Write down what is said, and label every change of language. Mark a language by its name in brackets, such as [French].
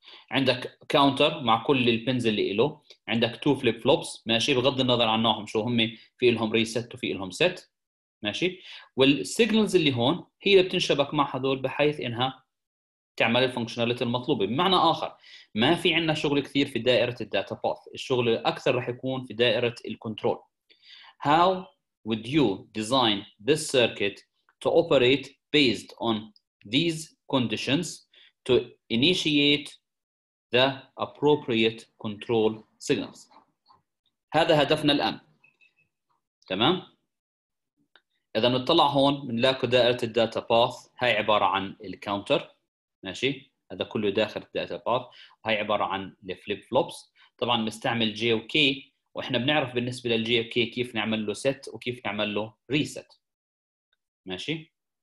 [Arabic] عندك كاونتر مع كل البنز اللي له، عندك تو فليب فلوبس ماشي بغض النظر عن نوعهم شو هم، في لهم ريست وفي لهم سيت ماشي. والسيجنلز اللي هون هي اللي بتنشبك مع هذول بحيث انها تعمل الفونكشناليتي المطلوبه. بمعنى اخر ما في عندنا شغل كثير في دائره الداتا باث، الشغل الاكثر راح يكون في دائره الكنترول. [English] How would you design this circuit to operate based on these conditions to initiate the appropriate control signals؟ [Arabic] هذا هدفنا الان، تمام. اذا نطلع هون بنلاقي دائره الداتا باث هاي عباره عن الكاونتر ماشي، هذا كله داخل الداتا باث، وهي عباره عن الفليب فلوبس. طبعا بنستعمل جي وكي، واحنا بنعرف بالنسبه للجي وكي كيف نعمل له سيت وكيف نعمل له ريسيت ماشي.